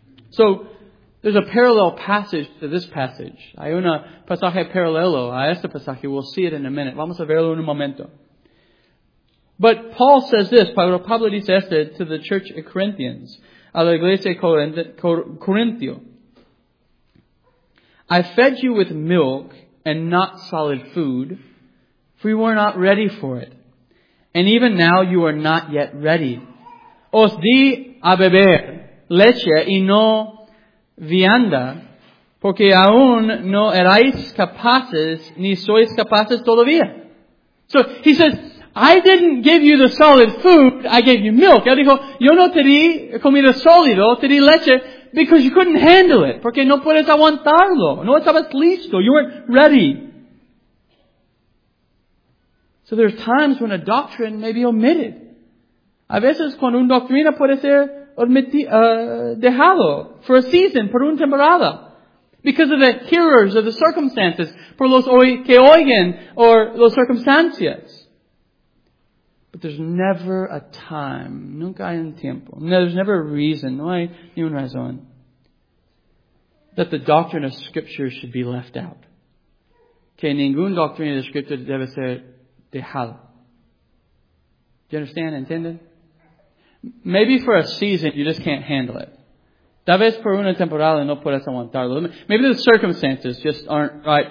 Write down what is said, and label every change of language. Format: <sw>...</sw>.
<en>So, there's a parallel passage to this passage.</en> <es>Hay un pasaje paralelo a este pasaje.</es> <en>We'll see it in a minute.</en> <es>Vamos a verlo en un momento.</es> <en>But Paul says this.</en> <es>Pablo dice esto</es> <en>to the church of Corinthians.</en> <es>A la iglesia Corintio.</es> <en>I fed you with milk and not solid food, for you were not ready for it. And even now you are not yet ready.</en> <es>Os di a beber leche y no vianda, porque aún no erais capaces, ni sois capaces todavía.</es> <en>So, he says, I didn't give you the solid food, I gave you milk.</en> <es>Él dijo, yo no te di comida sólida, te di leche,</es> <en>because you couldn't handle it,</en> <es>porque no puedes aguantarlo. No estabas listo,</es> <en>you weren't ready. So there's times when a doctrine may be omitted.</en> <es>A veces cuando una doctrina puede ser dejado</es> <en>for a season,</en> <es>por una temporada,</es> <en>because of the hearers or the circumstances,</en> <es>por los que oyen or los circunstancias.</es> <en>But there's never a time,</en> <es>nunca hay un tiempo,</es> <en>there's never a reason,</en> <es>no hay ni una razón,</es> <en>that the doctrine of Scripture should be left out.</en> <es>Que ninguna doctrina de Scripture debe ser dejada.</es> <en>Do you understand?</en> <es>¿Entienden?</es> <en>Maybe for a season, you just can't handle it.</en> <es>Tal vez por una temporada no puedes aguantarlo.</es> <en>Maybe the circumstances just aren't right.</en>